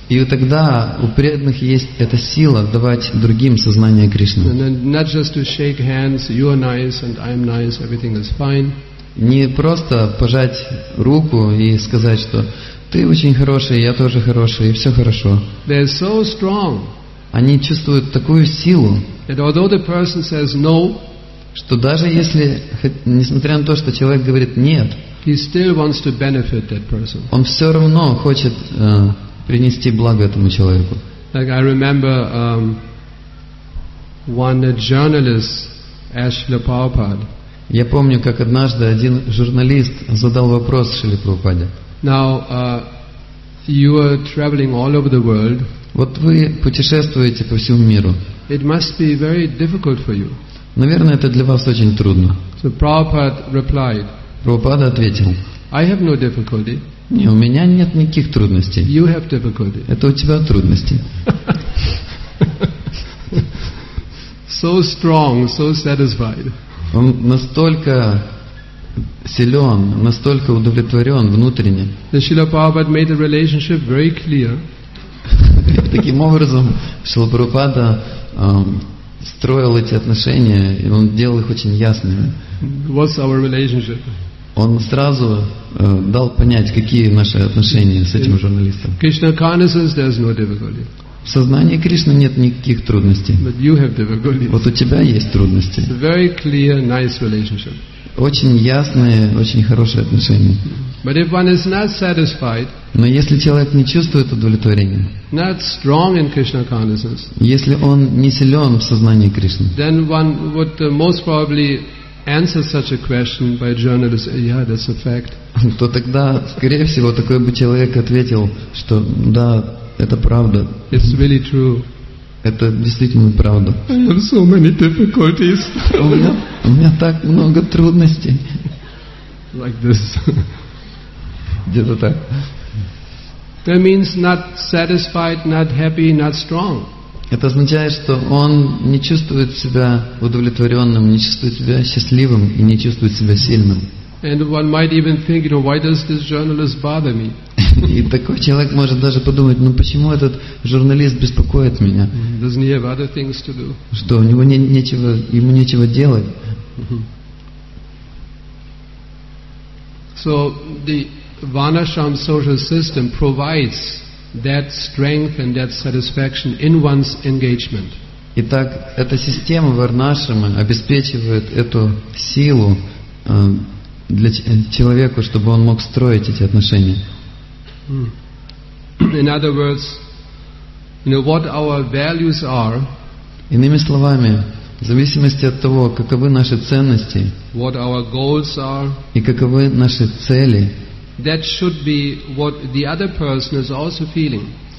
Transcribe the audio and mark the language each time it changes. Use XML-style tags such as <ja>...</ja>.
<ru>И тогда у преданных есть эта сила давать другим сознание Кришны.</ru> <en>And then not just to shake hands, you are nice and I am nice, everything is fine.</en> <ru>Не просто пожать руку и сказать, что ты очень хороший, я тоже хороший, и все хорошо.</ru> <en>They're so strong.</en> <ru>Они чувствуют такую силу,</ru> <en>that although the person says no,</en> <ru>что даже если, несмотря на то, что человек говорит нет,</ru> <en>he still wants to benefit that person.</en> <ru>Он все равно хочет принести благо этому человеку.</ru> <en>Like I remember one journalist asked Srila Prabhupada.</en> <ru>Я помню, как однажды один журналист задал вопрос Шриле Прабхупаде.</ru> <en>Now you are traveling all over the world.</en> <ru>Вот вы путешествуете по всему миру.</ru> <en>It must be very difficult for you.</en> <ru>Наверное, это для вас очень трудно.</ru> <en>So Prabhupada replied.</en> <ru>Прабхупада ответил.</ru> <en>I have no difficulty.</en> <ru>Не, у меня нет никаких трудностей.</ru> <en>You have difficulty.</en> <ru>Это у тебя трудности.</ru> <en>So strong, so satisfied.</en> <ru>Он настолько силен, настолько удовлетворен внутренне.</ru> <en>Шрила Прабхупада made the relationship very clear.</en> <ru>Таким образом, Шрила Прабхупада строил эти отношения, и он делал их очень ясными.</ru> <en>What's our relationship?</en> <ru>Он сразу дал понять, какие наши отношения с этим журналистом.</ru> <en>Krishna consciousness, there's no difficulty.</en> <ru>В сознании Кришны нет никаких трудностей.</ru> <en>But you have difficulty.</en> <ru>Вот у тебя есть трудности.</ru> <en>It's a very clear, nice relationship.</en> <ru>Очень ясные, очень хорошие отношения.</ru> <en>But if one is not satisfied,</en> <ru>но если человек не чувствует удовлетворения,</ru> <en>not strong in Krishna consciousness,</en> <ru>если он не силен в сознании Кришны,</ru> <en>then one would most probably answer such a question by a journalist, yeah, that's a fact.</en> <ru>То тогда, скорее всего, такой бы человек ответил, что да, это правда.</ru> <en>It's really true.</en> <ru>Это действительно правда.</ru> <en>I have so many difficulties.</en> <ru>У меня так много трудностей.</ru> <en>Like this.</en> <ru>Где-то так.</ru> <en>That means not satisfied, not happy, not strong.</en> <ru>Это означает, что он не чувствует себя удовлетворенным, не чувствует себя счастливым и не чувствует себя сильным.</ru> <en>And one might even think, you know, why does this journalist bother me?</en> <ru>И такой человек может даже подумать, ну почему этот журналист беспокоит меня?</ru> <en>Doesn't he have other things to do?</en> <ru>Что у него ему нечего делать?</ru> <en>So the Vanashram social system provides that strength and that satisfaction in one's engagement.</en> <ru>Итак, эта система Варнашрама обеспечивает эту силу для человека, чтобы он мог строить эти отношения.</ru> <en>In other words, you know, what our values are.</en> <ru>Иными словами, в зависимости от того, каковы наши ценности,</ru> <en>what our goals are,</en> <ru>и каковы наши цели,</ru> <en>that should be what the other person is also feeling.</en>